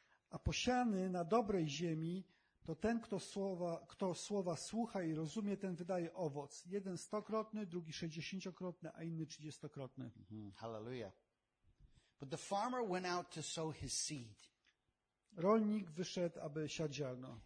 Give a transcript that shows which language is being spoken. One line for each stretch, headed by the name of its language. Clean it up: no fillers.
Polish: A posiany na dobrej ziemi to ten, kto słowa słucha i rozumie, ten wydaje owoc. Jeden stokrotny, drugi sześćdziesięciokrotny, a inny trzydziestokrotny.
English: Hallelujah. But the farmer went out to sow his seed.
Polish: Rolnik wyszedł, aby siać ziarno.